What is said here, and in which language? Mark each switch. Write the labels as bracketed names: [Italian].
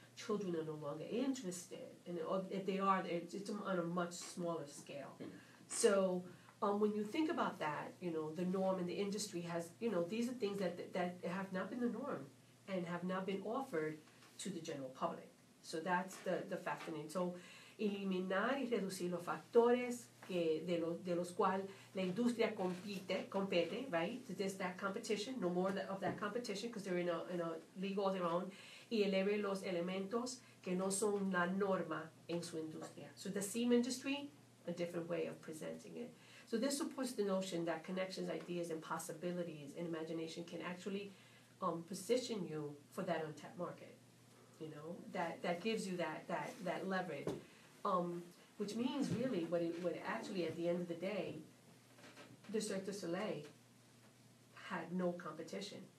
[English] Children are no longer interested, and if they are, it's on a much smaller scale. So when you think about that, you know, the norm in the industry has, you know, these are things that have not been the norm and have not been offered to the general public. So that's the fascinating. So [Spanish] eliminar y reducir los factores que de los cuales la industria compete, [English] right? So there's that competition, no more of that competition, because they're in a league all their own. [Spanish] Y eleve los elementos que no son la norma en su industria. [English] So the same industry, a different way of presenting it. So this supports the notion that connections, ideas, and possibilities and imagination can actually position you for that untapped market. You know, that gives you that leverage. Which means really what actually at the end of the day, the Cirque du Soleil had no competition.